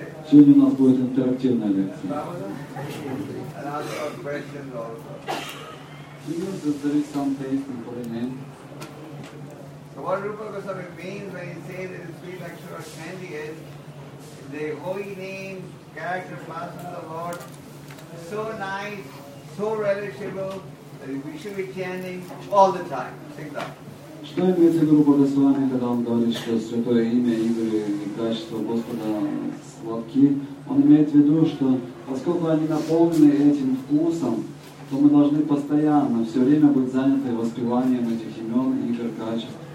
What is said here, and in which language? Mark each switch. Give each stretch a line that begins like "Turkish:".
Russian: Сегодня у нас будет интерактивная лекция.
English: And I'll have questions also. He knows that there is some taste in the name. So what Rupa Goswami means when he says that it's sweet like sugar candy is the holy name, character, class of the Lord, so nice, so relishable, that we should be chanting all the time. Sing that.
Russian: Что имеется в виду Рупа Госвами, когда он говорит, что святое имя, игры и качество Господа сладки? Он имеет в виду, что поскольку они наполнены этим вкусом, то мы должны постоянно, все время быть заняты воспеванием этих имен, игр, качеств.